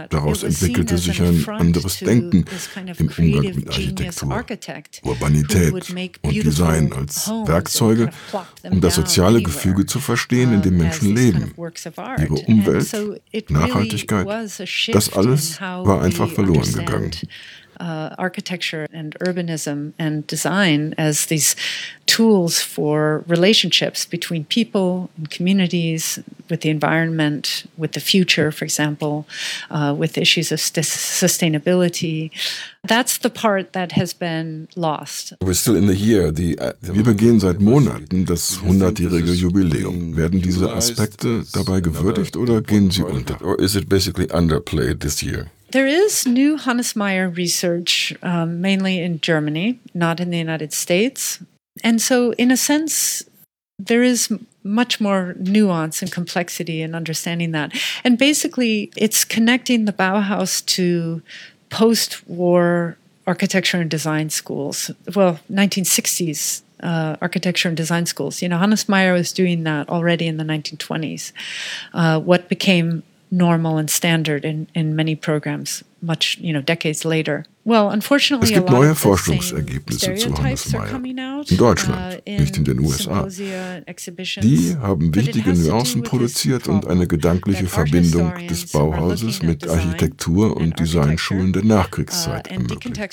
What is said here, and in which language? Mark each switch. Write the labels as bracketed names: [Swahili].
[German] Daraus entwickelte sich ein anderes Denken im Umgang mit Architektur, Urbanität und Design als Werkzeuge, um das soziale Gefüge zu verstehen, in dem Menschen leben, ihre Umwelt, Nachhaltigkeit, das alles war einfach verloren gegangen. [English] Architecture and urbanism and design as these tools for relationships between people and communities, with the environment, with the future, for example, with issues of sustainability. That's the part that has been lost. We're still in the year. [German] Wir begehen seit Monaten das 100-jährige Jubiläum. Werden diese Aspekte dabei gewürdigt oder gehen sie unter? [English] Or is it basically underplayed this year? There is new Hannes Meyer research, mainly in Germany, not in the United States. And so, in a sense, there is much more nuance and complexity in understanding that. And basically, it's connecting the Bauhaus to post-war architecture and design schools. Well, 1960s architecture and design schools. You know, Hannes Meyer was doing that already in the 1920s. What became normal and standard in many programs, much, you know, decades later. Well, unfortunately, [German] es gibt neue Forschungsergebnisse zu Hannes Meyer in Deutschland, nicht in den USA. Die haben wichtige Nuancen produziert und eine gedankliche Verbindung des Bauhauses mit Architektur- und Designschulen der Nachkriegszeit ermöglicht.